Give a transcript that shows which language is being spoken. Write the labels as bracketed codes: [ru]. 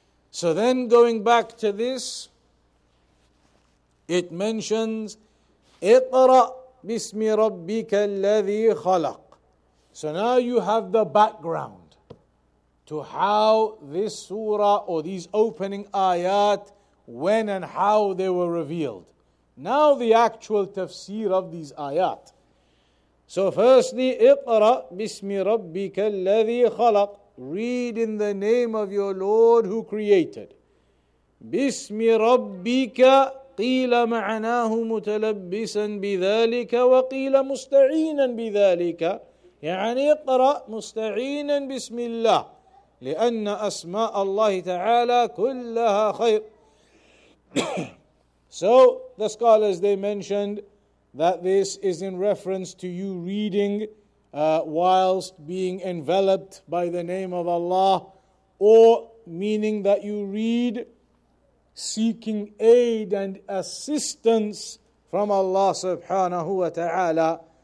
[en] So then going back to this, it mentions, [ar] اقرأ بسم ربك الذي خلق. [en] So now you have the background to how this surah or these opening ayat, when and how they were revealed. Now the actual tafsir of these ayat. So firstly, [ar] اقرأ بسم ربك الذي خلق. [en] Read in the name of your Lord who created. [ar] بسم ربك قيل معناه متلبسا بذلك وقيل مستعينا بذلك. يعني اقرأ مستعينا بسم الله. لأن أسماء الله تعالى كلها خير. [en] So the scholars, they mentioned that this is in reference to you reading whilst being enveloped by the name of Allah, or meaning that you read seeking aid and assistance from Allah subhanahu wa ta'ala.